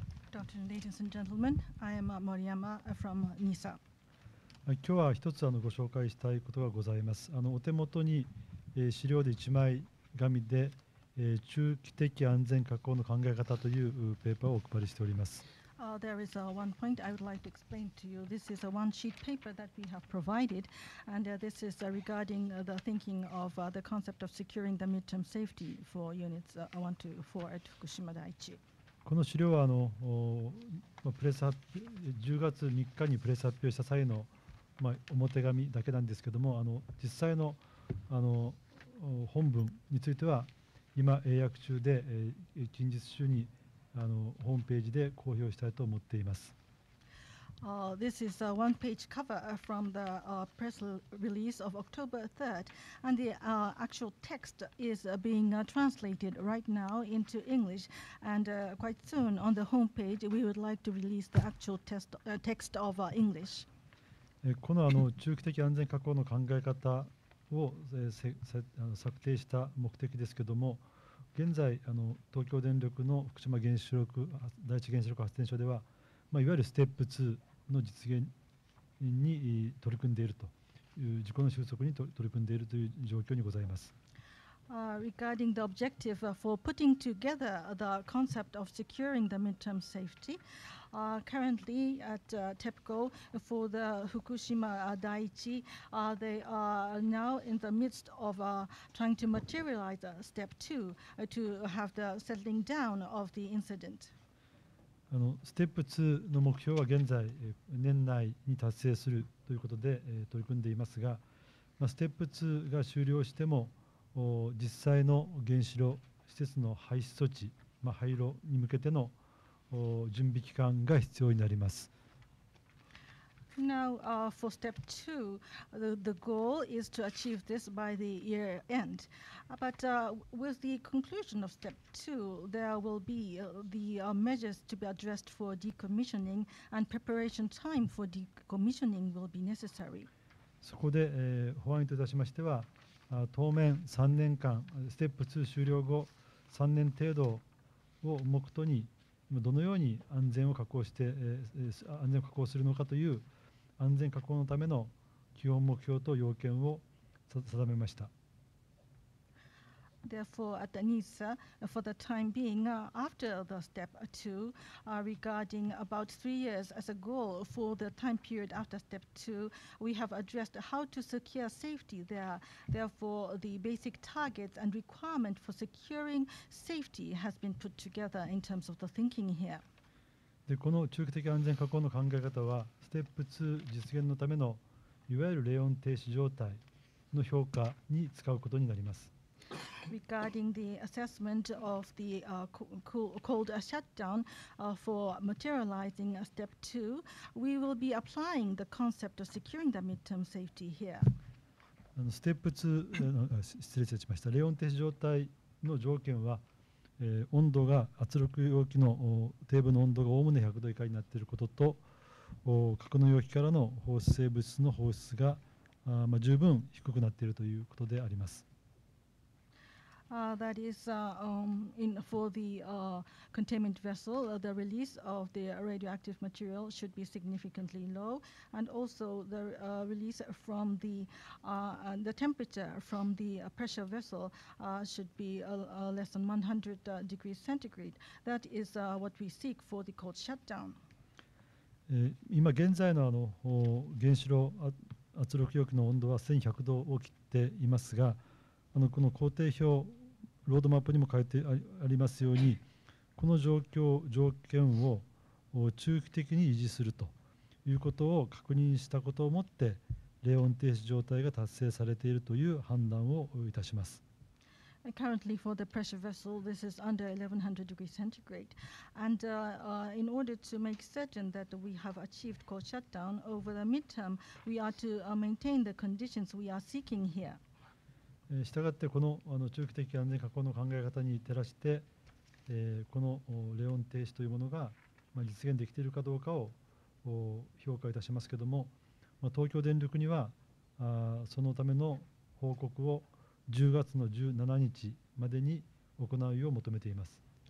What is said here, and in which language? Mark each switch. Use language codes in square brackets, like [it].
[en] Good afternoon, ladies and gentlemen. I am Moriyama from NISA. [ja] 今日は一つご紹介したいことがございます。お手元に資料で1枚紙で中期的安全確保の考え方というペーパーをお配りしております。 [en] There is one point I would like to explain to you. This is a one sheet paper that we have provided, and this is regarding the thinking of the concept of securing the midterm safety for units 1 to 4 at Fukushima Daiichi. [ja] この資料は10月3日にプレス発表した際の表紙だけなんですけれども、実際の本文については、今、英訳中で、近日中にホームページで公表したいと思っています。 [en] This is a one-page cover from the press release of October 3rd, and the actual text is being translated right now into English. And quite soon on the homepage, we would like to release the actual text of English. [ja] この中期的安全確保の考え方を策定した目的ですけども、現在東京電力の福島原子力第一原子力発電所では、いわゆるステップ2の実現に取り組んでいるという事故の収束に取り組んでいるという状況にございます。 [en] Regarding the objective for putting together the concept of securing the midterm safety, currently at TEPCO for the Fukushima Daiichi, they are now in the midst of trying to materialize step two to have the settling down of the incident. [ja] ステップ2の目標は現在年内に達成するということで取り組んでいますが、ステップ2が終了しても実際の原子炉施設の廃止措置、廃炉に向けての準備期間が必要になります。 [en] Now, for step two, the goal is to achieve this by the year end. But with the conclusion of step two, there will be the measures to be addressed for decommissioning, and preparation time for decommissioning will be necessary. [ja] そこで、法案といたしましては、当面3年間、ステップ2終了後、3年程度を目途に、どのように安全を確保して、安全を確保するのかという安全確保のための基本目標と要件を定めました。 [en] Therefore, at the NISA, for the time being, after the step 2, regarding about 3 years as a goal for the time period after step 2, we have addressed how to secure safety there. Therefore, the basic targets and requirement for securing safety has been put together in terms of the thinking here. [ja] でこの中期的安全確保の考え方は、ステップ2実現のためのいわゆる冷温停止状態の評価に使うことになります。 [en] Regarding the assessment of the cold shutdown for materializing step 2, we will be applying the concept of securing the midterm safety here. [ja] ステップ2、失礼しました。冷温停止状態の条件は、温度が圧力容器のテーブルの温度がおおむね100度以下になっていることと、格納容器からの放射性物質の放出が十分低くなっているということであります。 [en] that is in for the containment vessel, the release of the radioactive material should be significantly low, and also the release from the and the temperature from the pressure vessel should be less than 100 degrees centigrade. That is what we seek for the cold shutdown. [ja] 今現在 の, 原子炉圧力容器の温度は1100度を切っていますが、この工程表ロードマップにも書いてありますように、この状況条件を中期的に維持するということを確認したことをもって、冷温停止状態が達成されているという判断をいたします。 [en] Currently for the pressure vessel, this is under 1100 degrees centigrade. And in order to make certain that we have achieved cold shutdown over the midterm, we are to maintain the conditions we are seeking here. [ja] したがってこの中期的安全確保の考え方に照らして、この冷温停止というものが実現できているかどうかを評価いたしますけれども、東京電力にはそのための報告を10月の17日までに行うよう求めています。